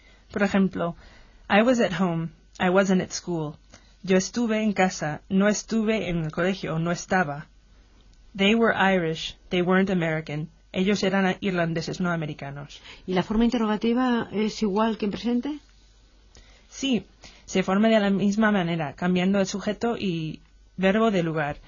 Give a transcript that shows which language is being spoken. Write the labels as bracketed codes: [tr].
[es] Por ejemplo, [en] I was at home, I wasn't at school. [es] Yo estuve en casa, no estuve en el colegio, no estaba. [en] They were Irish, they weren't American. [es] Ellos eran irlandeses, no americanos. ¿Y la forma interrogativa es igual que en presente? Sí, se forma de la misma manera, cambiando el sujeto y verbo de lugar.